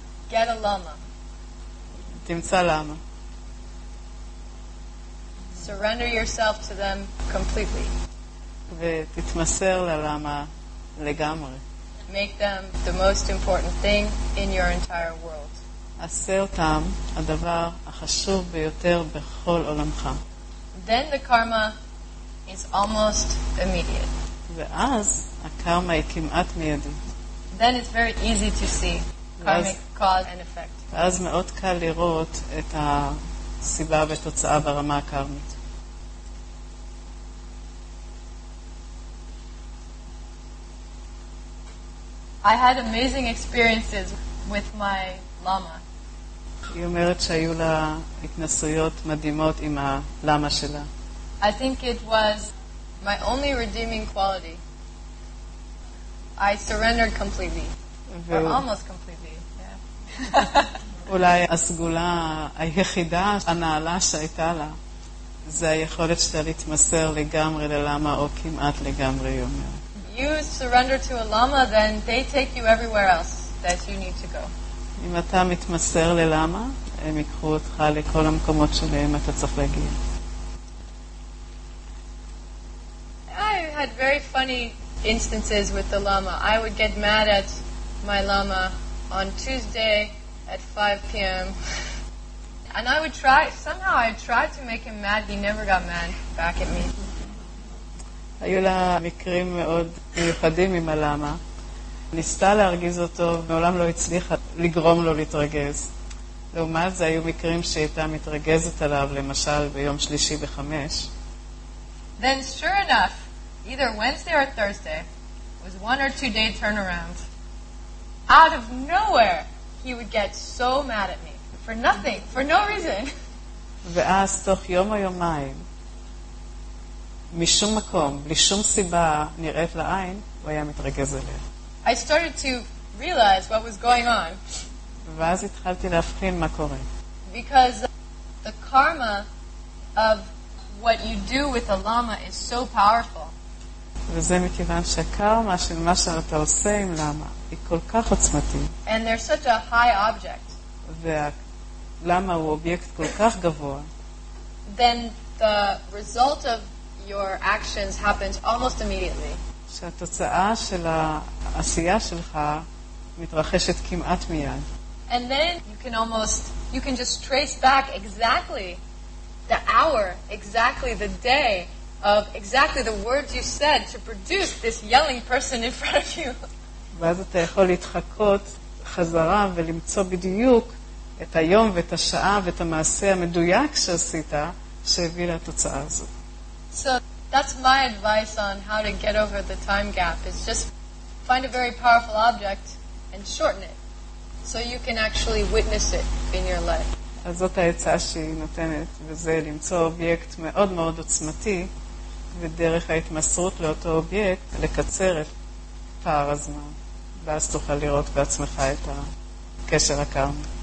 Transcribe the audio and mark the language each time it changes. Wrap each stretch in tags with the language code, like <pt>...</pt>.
<en>Get a llama.</en> <he>תמצא llama.</he> <en>Surrender yourself to them completely.</en> <he>ותתמסר ללמה לגמרי.</he> <en>Make them the most important thing in your entire world.</en> <he>עשה אותם הדבר החשוב ביותר בכל עולמך.</he> <en>Then the karma is almost immediate.</en> <he>ואז הקרמה היא כמעט מיידית.</he> <en>Then it's very easy to see karmic cause and effect.</en> <he>ואז מאוד קל לראות את הסיבה ותוצאה ברמה הקרמית.</he> <en>I had amazing experiences with my lama.</en> <he>היא אומרת שהיו לה התנסויות מדהימות עם הלמה שלה.</he> <en>I think it was my only redeeming quality. I surrendered completely. Or almost completely. Yeah.</en> <he>אולי הסגולה היחידה הנעלה שהייתה לה זה היכולת שלה להתמסר לגמרי ללמה או כמעט לגמרי, היא אומרת.</he> <en>You surrender to a llama, then they take you everywhere else that you need to go.</en> <he>אם אתה מתמסר ללמה, הם יקחו אותך לכל המקומות שלהם אתה צריך להגיע.</he> <en>I had very funny instances with the llama. I would get mad at my llama on Tuesday at 5 p.m. and I would try, somehow I tried to make him mad, he never got mad back at me.</en> <he>היו לה מקרים מאוד מיוחדים עם הלמה. ניסתה להרגיז אותו, מעולם לא הצליחה לגרום לו להתרגז. לעומת זה, היו מקרים שהייתה מתרגזת עליו, למשל ביום שלישי ב5.</he> <en>Then sure enough, either Wednesday or Thursday, was one or two day turnaround, out of nowhere, he would get so mad at me. For nothing, for no reason.</en> <he>ואז תוך יום או יומיים, משום מקום, בלי שום סיבה נראית לעין, הוא היה מתרגז אליה.</he> <en>I started to realize what was going on.</en> <he>ואז התחלתי להבחין מה קורה.</he> <en>Because the karma of what you do with a llama is so powerful.</en> <he>וזה מכיוון שהקרמה של מה שאתה עושה עם llama היא כל כך עוצמתית.</he> <en>And they're such a high object.</en> <he>והלמה הוא אובייקט כל כך גבוה.</he> <en>Then the result of your actions happens almost immediately.</en> <he>שהתוצאה של העשייה שלך מתרחשת כמעט מיד.</he> <en>And then you can just trace back exactly the hour, exactly the day of exactly the words you said to produce this yelling person in front of you.</en> <he>ואז אתה יכול להתחקות חזרה ולמצוא בדיוק את היום ואת השעה ואת המעשה המדויק שעשית שהביא לתוצאה הזאת.</he> <en>So that's my advice on how to get over the time gap is just find a very powerful object and shorten it so you can actually witness it in your life.</en> <he>אז זאת העצה שהיא נותנת, וזה למצוא אובייקט מאוד מאוד עוצמתי ודרך ההתמסרות לאותו אובייקט לקצר את פער הזמן, ואז תוכל לראות בעצמך את הקשר הקרמי.</he>